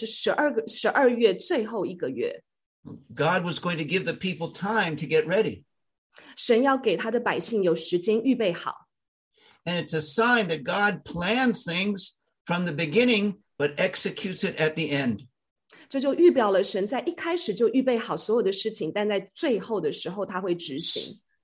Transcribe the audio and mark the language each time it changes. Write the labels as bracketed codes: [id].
[zh] 那后来选了哪一个月呢？选的是十二月最后一个月。 [en] God was going to give the people time to get ready. [zh] 神要给他的百姓有时间预备好。 [en] And it's a sign that God plans things from the beginning, but executes it at the end. [zh] 这就预表了神在一开始就预备好所有的事情，但在最后的时候他会执行。